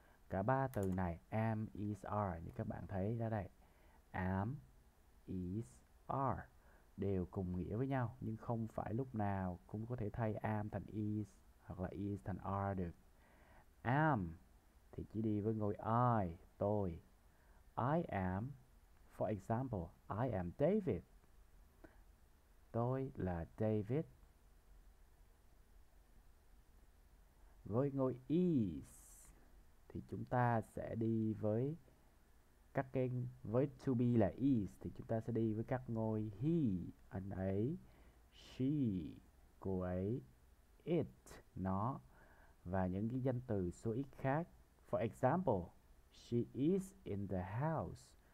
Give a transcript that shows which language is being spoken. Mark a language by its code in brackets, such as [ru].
[vi] Cả ba từ này, am, is, are, như các bạn thấy ra đây. Am, is, are đều cùng nghĩa với nhau. Nhưng không phải lúc nào cũng có thể thay am thành is hoặc là is thành are được. Am thì chỉ đi với ngôi I, tôi. [en] I am, for example, I am David. [vi] Tôi là David. Với ngôi is thì chúng ta sẽ đi với các cái, với to be là is thì chúng ta sẽ đi với các ngôi he, anh ấy, she, cô ấy, it, nó và những cái danh từ số ít khác. [en] For example, she is in the house.